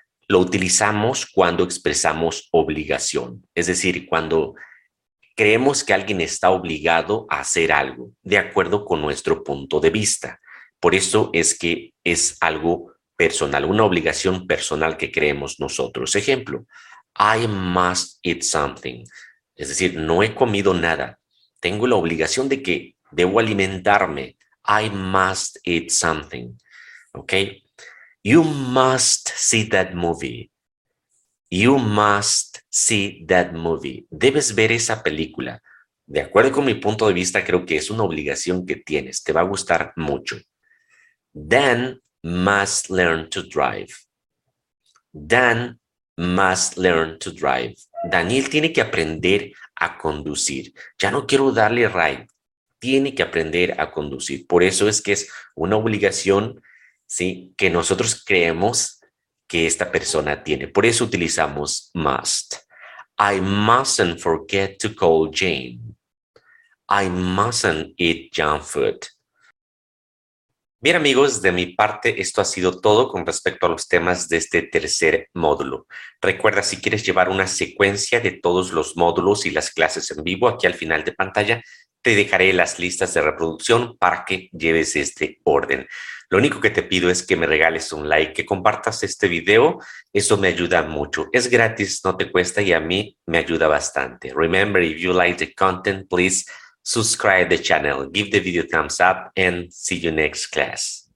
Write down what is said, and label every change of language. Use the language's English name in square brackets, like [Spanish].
[Spanish] Lo utilizamos cuando expresamos obligación. Es decir, cuando creemos que alguien está obligado a hacer algo de acuerdo con nuestro punto de vista. Por eso es que es algo personal, una obligación personal que creemos nosotros. [English] Ejemplo, I must eat something. [Spanish] Es decir, no he comido nada. Tengo la obligación de que debo alimentarme. [English] I must eat something. Okay. You must see that movie. You must see that movie. [Spanish] Debes ver esa película. De acuerdo con mi punto de vista, creo que es una obligación que tienes. Te va a gustar mucho. [English] Dan must learn to drive. Dan must learn to drive. [Spanish] Daniel tiene que aprender a conducir. Ya no quiero darle ride. Tiene que aprender a conducir. Por eso es que es una obligación, ¿sí?, que nosotros creemos que esta persona tiene. Por eso utilizamos must. [English] I mustn't forget to call Jane. I mustn't eat junk food. [Spanish] Bien, amigos, de mi parte, esto ha sido todo con respecto a los temas de este tercer módulo. Recuerda, si quieres llevar una secuencia de todos los módulos y las clases en vivo, aquí al final de pantalla te dejaré las listas de reproducción para que lleves este orden. Lo único que te pido es que me regales un like, que compartas este video. Eso me ayuda mucho. Es gratis, no te cuesta, y a mí me ayuda bastante. [English] Remember, if you like the content, please subscribe to the channel, give the video a thumbs up, and see you next class.